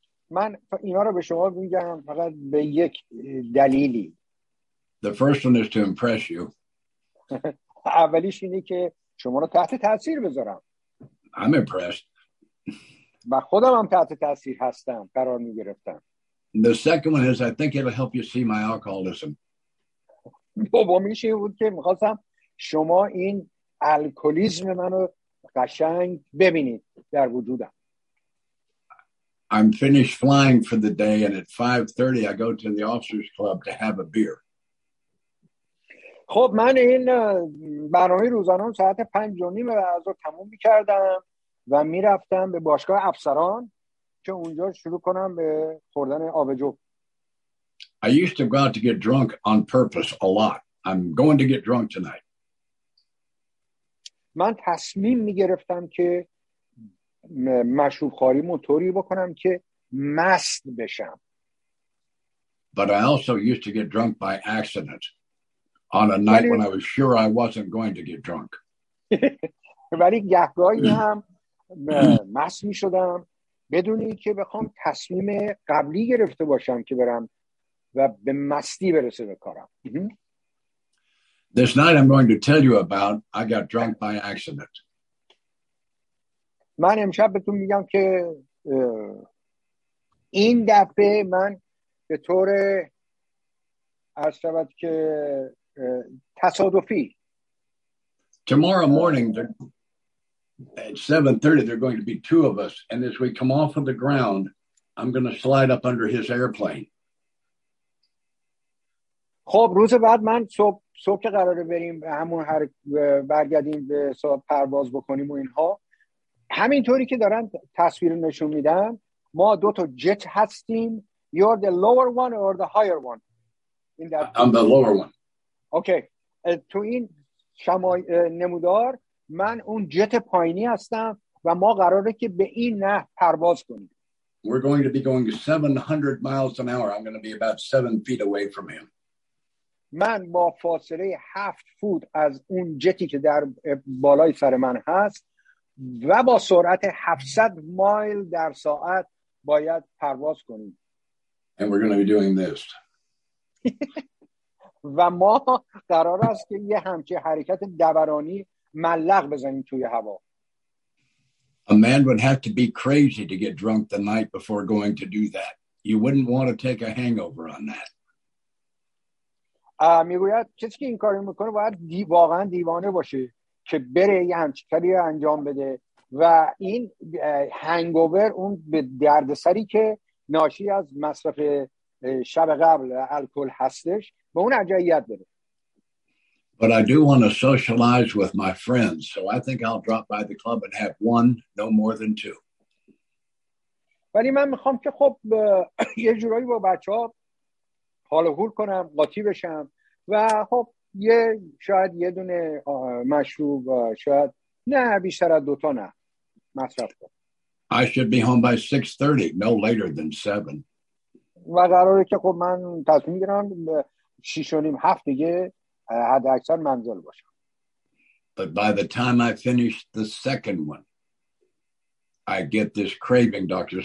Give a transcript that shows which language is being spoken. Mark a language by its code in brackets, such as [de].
[fa] من اینا رو به شما میگم فقط به یک دلیلی. [en] The first one is to impress you. [fa] اولیش اینه که شما رو تحت تاثیر بذارم. [en] I'm impressed. [fa] و خودم هم تحت تاثیر هستم قرار می گرفتم. [en] The second one is I think it'll help you see my alcoholism. [fa] دومیش این بود که می‌خواستم شما این الکلیسم منو قشنگ ببینید و در وجودم. [en] I'm finished flying for the day and at 5:30 I go to the officers club to have a beer. [fa] خب من این برنامه روزانه‌ام ساعت 5:30 بعد از ظهر تموم می‌کردم و می‌رفتم به باشگاه افسران که اونجا شروع کنم به خوردن آبجو. [en] I used to go out to get drunk on purpose a lot. I'm going to get drunk tonight. [fa] من تصمیم می‌گرفتم که مشروب خاری موتوری بکنم که مست بشم. [en] But I also used to get drunk by accident on a night when I was sure I wasn't going to get drunk. [fa] ولی گهگاهی هم مست می شدم بدون این که بخوام تصمیم قبلی گرفته باشم که برم و به مستی برسه به کارم. [en] This night I'm going to tell you about I got drunk by accident. [fa] من امشب بهتون میگم که این دفعه من به طور عرض شود که تصادفی. [en] Tomorrow morning at 7:30 there are going to be two of us and as we come off of the ground I'm going to slide up under his airplane. [fa] خب روز بعد من صبح که قراره بریم همون برگردیم به صبح پرواز بکنیم و اینها همینطوری که دارن تصویر نشون میدن ما دو تا جت هستیم. [en] You're the lower one or the higher one? I'm the lower one. Okay. [fa] تو این نمودار من اون جت پایینی هستم و ما قراره که به این نه پرواز کنیم. [en] We're going to be going 700 miles an hour. I'm going to be about 7 feet away from him. [fa] من با فاصله 7 فوت از اون جتی که در بالای سر من هست و با سرعت 700 مایل در ساعت باید پرواز کنیم. [en] And we're going to be doing this. [fa] و ما قرار است که یه همچه حرکت دورانی ملق بزنیم توی هوا. [en] A man would have to be crazy to get drunk the night before going to do that. You wouldn't want to take a hangover on that. [fa] میگوید کسی که این کارو میکنه باید واقعا دیوانه باشه که بره یه همچین کاری رو انجام بده و این هنگوور اون به دردسری که ناشی از مصرف شب قبل الکل هستش به اون اجاییت بده. [en] But I do want to socialize with my friends, so I think I'll drop by the club and have one, no more than two. [fa] ولی من میخوام که خب یه جورایی با بچه ها حال و حول کنم، قاطی بشم و خب یه شاید یه دونه مشروب شاید نه بیشتر از دوتا نه مصرف کنم. [en] I should be home by 6:30, no later than 7. [fa] و قراره که خب من تصمیم گیرم 6:30-7 دیگه حد اکثر منزل باشم. [en] But by the time I finish the second one, I get this craving Dr.